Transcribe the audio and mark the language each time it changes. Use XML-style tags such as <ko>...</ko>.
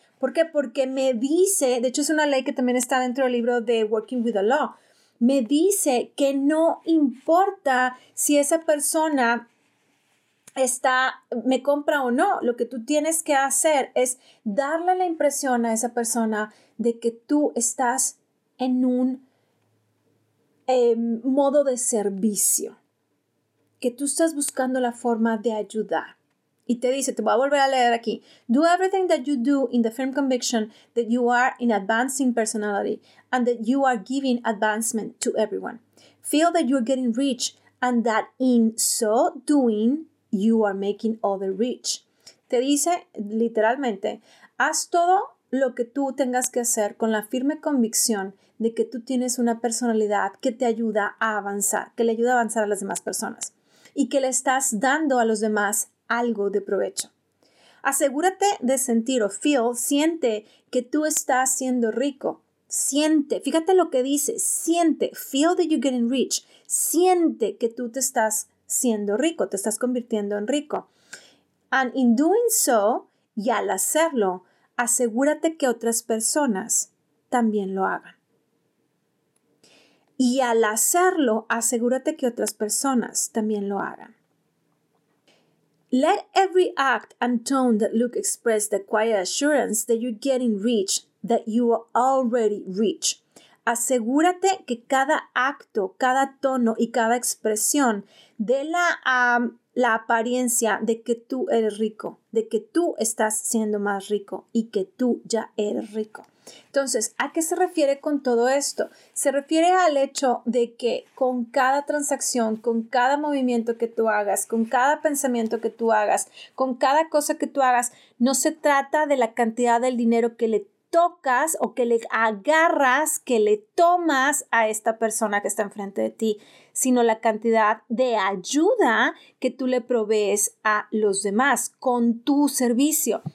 <es>¿Por qué? Porque me dice, de hecho es una ley que también está dentro del libro de Working with the Law, me dice que no importa si esa persona está, me compra o no, lo que tú tienes que hacer es darle la impresión a esa persona de que tú estás en un modo de servicio, que tú estás buscando la forma de ayudar. Y te dice, te voy a volver a leer aquí.</es> <en>Do everything that you do in the firm conviction that you are in advancing personality and that you are giving advancement to everyone. Feel that you are getting rich and that in so doing, you are making others rich.</en> <es>Te dice, literalmente, haz todo lo que tú tengas que hacer con la firme convicción de que tú tienes una personalidad que te ayuda a avanzar, que le ayuda a avanzar a las demás personas y que le estás dando a los demás algo de provecho. Asegúrate de sentir o feel, siente que tú estás siendo rico. Siente, fíjate lo que dice, siente,</es> <en>feel that you're getting rich.</en> <es>Siente que tú te estás siendo rico, te estás convirtiendo en rico.</es> <en>And in doing so,</en> <es>y al hacerlo, asegúrate que otras personas también lo hagan. Y al hacerlo, asegúrate que otras personas también lo hagan.</es> <en>Let every act and tone that look express the quiet assurance that you're getting rich, that you are already rich.</en> <es>Asegúrate que cada acto, cada tono y cada expresión dé la apariencia de que tú eres rico, de que tú estás siendo más rico y que tú ya eres rico. Entonces, ¿a qué se refiere con todo esto? Se refiere al hecho de que con cada transacción, con cada movimiento que tú hagas, con cada pensamiento que tú hagas, con cada cosa que tú hagas, no se trata de la cantidad del dinero que le tocas o que le agarras, que le tomas a esta persona que está enfrente de ti, sino la cantidad de ayuda que tú le provees a los demás con tu servicio.</es>